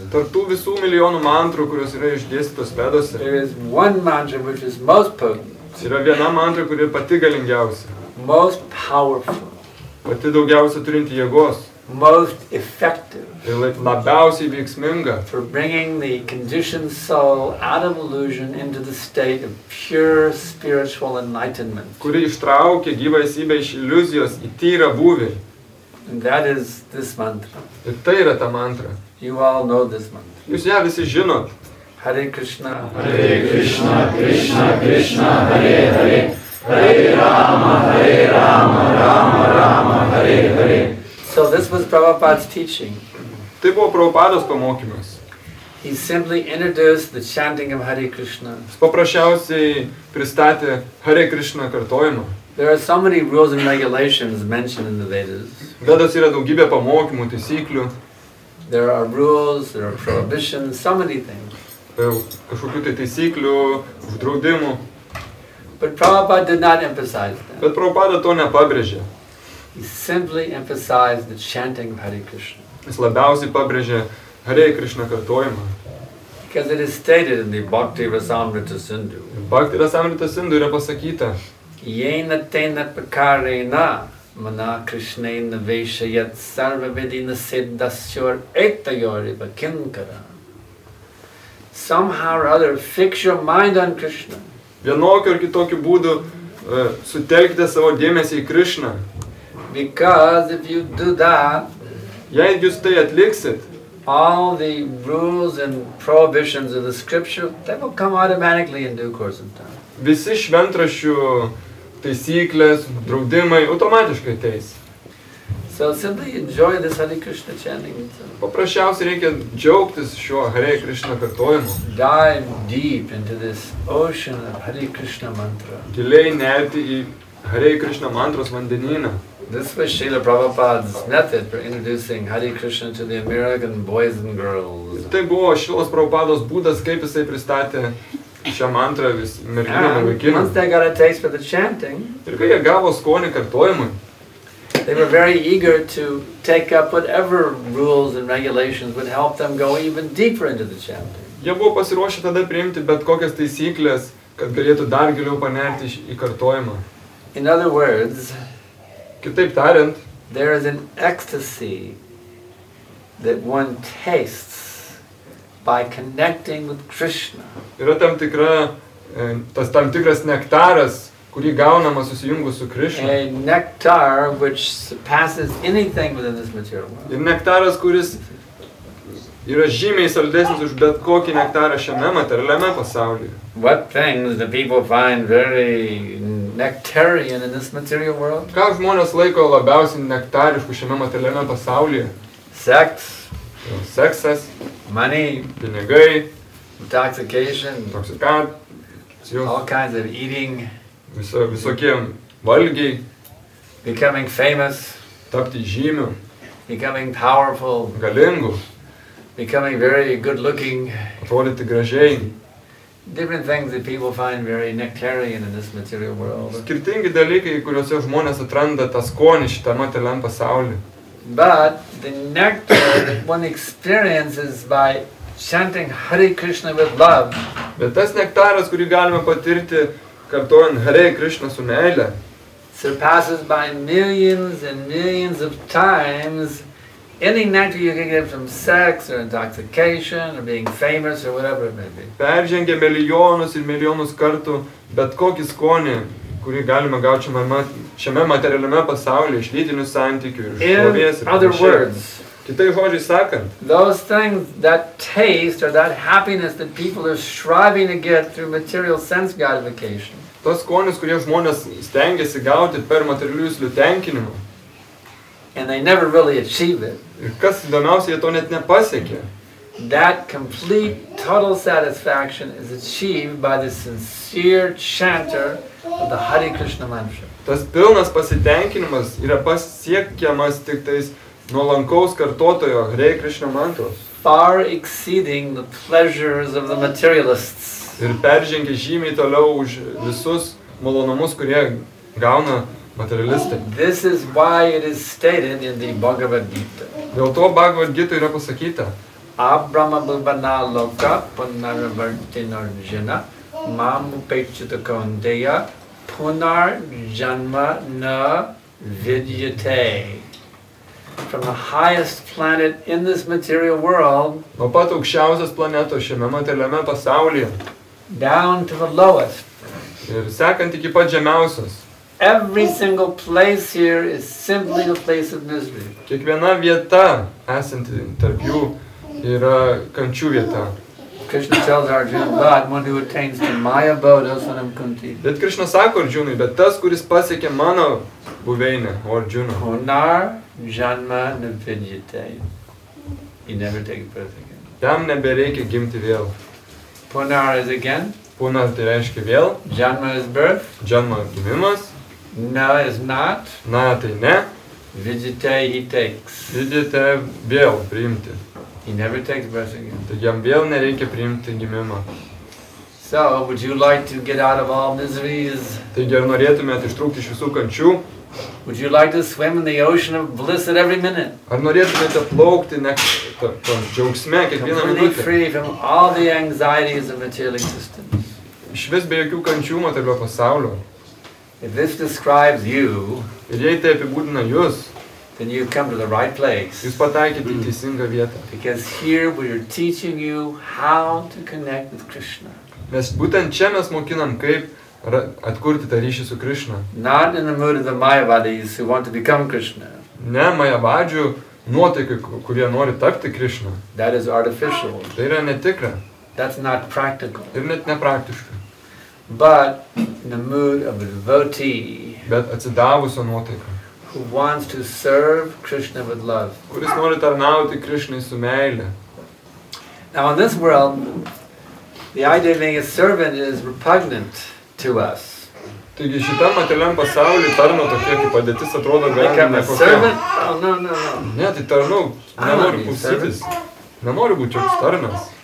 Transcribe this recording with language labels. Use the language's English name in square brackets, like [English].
[Lithuanian] Tarp tų visų milijonų mantrų, kurios yra išdėstytos Vedose. [English] There is one mantra which is most potent. [Lithuanian] Yra viena mantra, kuri pati galingiausia. [English] Most powerful. [Lithuanian] Pati daugiausia turinti jėgos. [English] Most effective. [Lithuanian] Ir labiausiai veiksminga. [English] For bringing the conditioned soul out of illusion into the state of pure spiritual enlightenment. [Lithuanian] Kuri ištraukia gyvą esybę iš iliuzijos į tyrą būvį. [English] And that is this mantra. [Lithuanian] Ir tai yra ta mantra. [English] You all know this mantra. [Lithuanian] Jūs ją visi žinot. [Sanskrit] Hare Krishna. Hare Krishna, Krishna Krishna, Hare Hare. Hare Rama, Hare Rama, Rama Rama, Hare Hare. [English] So this was Prabhupada's teaching. [Lithuanian] Tai buvo Prabhupados pamokymas. [English] He simply introduced the chanting of Hare Krishna. [Lithuanian] Jis paprasčiausiai pristatė Hare Krishna kartojimą. [English] There are so many rules and regulations mentioned in the Vedas. [Lithuanian] Vedose yra daugybė pamokymų, taisyklių. [English] There are rules, there are prohibitions, so many things. [Lithuanian] Kažkokių tai taisyklių, uždraudimų. [English] But Prabhupada did not emphasize that. [Lithuanian] Bet Prabhupada to nepabrėžė. [English] He simply emphasized the chanting of Hare Krishna. [Lithuanian] Jis labiausiai pabrėžė Hare Krishna kartojimą. [English] Because it is stated in the Bhakti Rasamrita Sindhu. [Lithuanian] Bhakti Rasamrita Sindhu yra pasakyta. [Sanskrit] Yena tena pakarena mana krishnena veshayat sarvavidina siddhasyor etayori bakinkara. [English] Somehow or other, fix your mind on Krishna. [Lithuanian] Vienokiu ar kitokiu būdu sutelkite savo dėmesį į Krishna. [English] Because if you do that, [Lithuanian] jei jūs tai atliksit, [English] all the rules and prohibitions of the scripture, they will come automatically in due course of time. [Lithuanian] Visi šventrašių taisyklės, draudimai automatiškai ateis. [English] So simply enjoy this Hare Krishna chanting. [Lithuanian] Paprasčiausiai reikia džiaugtis šiuo Hare Krishna kartojimu. [English] Dive deep into this ocean of Hare Krishna mantra. [Lithuanian] Giliai nerti į Hare Krishna mantros vandenyną. [English] This was Srila Prabhupada's method for introducing Hare Krishna to the American boys and girls. [Lithuanian] Tai buvo Šrilos Prabhupados būdas, kaip jisai pristatė šią mantrą vis merginom vaikinom. [English] Once they got a taste for the chanting, [Lithuanian] ir kai jie gavo skonį kartojimui, [English] they were very eager to take up whatever rules and regulations would help them go even deeper into the chanting. [Lithuanian] Jie buvo pasiruošę tada priimti bet kokias taisyklės, kad galėtų dar giliau panerti į kartojimą. [English] In other words, [Lithuanian] kitaip tariant, [English] there is an ecstasy that one tastes by connecting with Krishna. [Lithuanian] Yra tam tikra, tas tam tikras nektaras, kurį gaunama susijungus su Krishna. [English] A nectar which surpasses anything within this material world. [Lithuanian] Ir nektaras, kuris yra žymiai saldesnis už bet kokį nektarą šiame materialiame pasaulyje. [English] What things the people find very nectarian in this material world? [Lithuanian] Ką žmonės laiko labiausiai nektarišku šiame materialiame pasaulyje? [English] Sex. [Lithuanian] Seksas. [English] Money. [Lithuanian] Pinigai. [English] Intoxication. [Lithuanian] Intoxikacijos. [English] All kinds of eating. [Lithuanian] Visokie valgiai. [English] Becoming famous. [Lithuanian] Tapti žymiu. [English] Becoming powerful. [Lithuanian] Galingu. [English] Becoming very good looking. [Lithuanian] Atrodyti gražiai. [English] different things that people find very nectarian in this material world. [Lithuanian] Skirtingi dalykai, kuriuose žmonės atranda tą skonį šitą materialiam pasaulį. [English] But the nectar that one experiences by chanting Hare Krishna with love. [Lithuanian] Bet tas nektaras, kurį galime patirti kartuojant Hare Krishna su meile, [English] surpasses by millions and millions of times any nectar you can get from sex or intoxication or being famous or whatever it may be. [Lithuanian] Peržengia milijonus ir milijonus kartų bet kokį skonį, kurį galima gauti šiame materialiame pasaulyje iš lytinių santykių ir šlovės ir panašiai. Kitai žodžiai sakant, [English] those things, that taste or that happiness that people are striving to get through material sense gratification. [Lithuanian] Tos skonis, kurie žmonės stengiasi gauti per materialius liutenkinimą. [English] And they never really achieve it. [Lithuanian] Ir kas įdomiausia, jie to net nepasiekė. [English] That complete, total satisfaction is achieved by the sincere chanter of the Hare Krishna mantra. [Lithuanian] Tas pilnas pasitenkinimas yra pasiekiamas tik tais nuolankaus kartotojo Hare Krishna mantros. [English] Far exceeding the pleasures of the materialists. [Lithuanian] Ir peržengia žymiai toliau už visus malonumus, kurie gauna materialistai. [English] This is why it is stated in the Bhagavad Gita. [Lithuanian] Dėl to Bhagavad Gita yra pasakyta. [Sanskrit] Abrahma bhavana loka punarvartina jana mam upechita kaundeya punar janma na vidyate. [English] From the highest planet in this material world, [Lithuanian] nuo pat aukščiausios planetos šiame materialiame pasaulyje, [English] down to the lowest, [Lithuanian] ir sekant iki pat žemiausios, [English] every single place here is simply the place of misery. [Lithuanian] Kiekviena vieta esanti tarp jų yra kančių vieta. [English] Krishna tells Arjuna, but one who attains to my abode, Asanam Kunti. [Lithuanian] Bet Krishna sako Arjunai, bet tas, kuris pasiekė mano buveinę, Arjuna. [Sanskrit] Punar janma na vidyate. [English] He never takes birth again. [Lithuanian] Jam nebereikia gimti vėl. [English] Punar is again. [Lithuanian] Punar tai reiškia vėl. [English] Janma is birth. [Lithuanian] Janma gimimas. [English] Na is not. [Lithuanian] Na tai ne. [English] Vidyate he takes. [Lithuanian] Vidyate vėl priimti. [English] He never takes birth again. [Lithuanian] Tai jam vėl nereikia priimti gimimą. [English] So, would you like to get out of all miseries? [Lithuanian] Taigi, ar norėtumėt ištrūkti iš visų kančių? [English] Would you like to swim in the ocean of bliss at every minute? [Lithuanian] Ar norėtumėte plaukti džiaugsme kiekvieną minutę? [English] Completely free from all the anxieties of material existence. [Lithuanian] Išvis be jokių kančių materialio pasaulio. [English] If this describes you, [Lithuanian] ir jei tai apibūdina jūs, [English] then you come to the right place. [Lithuanian] Jūs pataikėte į teisingą vietą. [English] Because here we are teaching you how to connect with Krishna. [Lithuanian] Mes būtent čia mes mokinam, kaip atkurti tą ryšį su Krishna. [English] Not in the mood of the Mayavadis who want to become Krishna. [Lithuanian] Ne Mayavadžių nuotaikai, kurie nori tapti Krishna. [English] That is artificial. [Lithuanian] Tai yra netikra. [English] That's not practical. [Lithuanian] Ir net nepraktiška. [English] But in the mood of a devotee. [Lithuanian] Bet atsidavusio nuotaikai. [English] Who wants to serve Krishna with love. [Lithuanian] Kuris nori tarnauti Krishnai su meile. [English] Now in this world, the idea of being a servant is repugnant to us. [Lithuanian] Taigi šitam materialiam pasauliui tarno tokia kaip padėtis atrodo gan nekokia. [English] Become a servant? No. [Lithuanian] Ne, tai tarnau, nenoriu klausytis. Nenoriu būti joks tarnas.